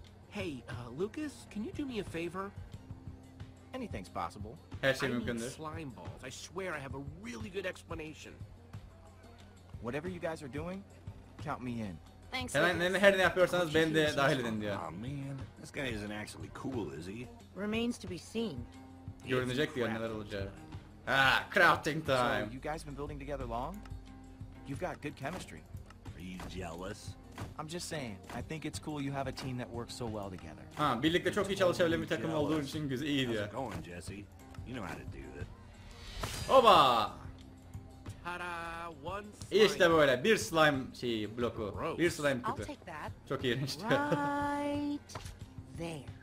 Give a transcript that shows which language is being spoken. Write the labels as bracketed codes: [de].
[en] Hey, Lucas, can you do me a favor? Anything's possible. [tr] Her şey mümkündür. [en] I need slime balls. I swear I have a really good explanation. Whatever you guys are doing, count me in. Thanks. [tr] Her ne yapıyorsanız ben de dahil edin diyor. [en] Oh man, this guy isn't actually cool, is he? Remains to be seen. [tr] Görünecek diyor, neler olacak. [en] Ah, crafting time. So, you guys been building together long? You've got good chemistry. Are you jealous? I'm just saying, I think it's cool you have a team that works so well together. [tr] Ha, birlikte çok iyi çalışabilen bir takım olduğun için güzel, iyi diyor. [en] How's it going, Jesse? You know how to do it. Oba! Ta-da! One [tr] slime. İşte böyle, bir slime şeyi bloku. Bir slime kutu. Çok iyi işte. [en] Right there.